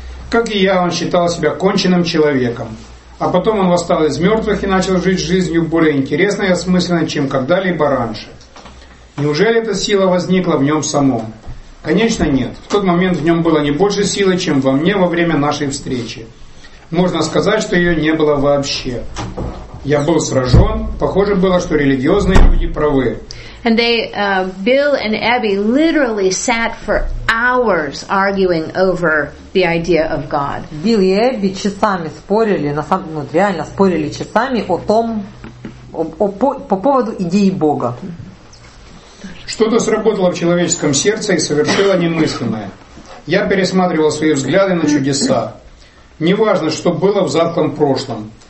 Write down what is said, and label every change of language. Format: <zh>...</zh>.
<ru>Как и я, он считал себя конченным человеком. А потом он восстал из мертвых и начал жить жизнью более интересной и осмысленной, чем когда-либо раньше. Неужели эта сила возникла в нем самом? Конечно, нет. В тот момент в нем было не больше силы, чем во мне во время нашей встречи. Можно сказать, что ее не было вообще. Я был сражен. Похоже было, что религиозные люди правы.</ru> <en>And they, Bill and Abby literally sat for hours arguing over the idea of God.</en> <ru>Билл и Эбби часами спорили, на самом деле, реально спорили часами о том, по поводу идеи Бога. Что-то сработало в человеческом сердце и совершило немыслимое. Я пересматривал свои взгляды на чудеса. Неважно, что было в затхлом прошлом.</ru>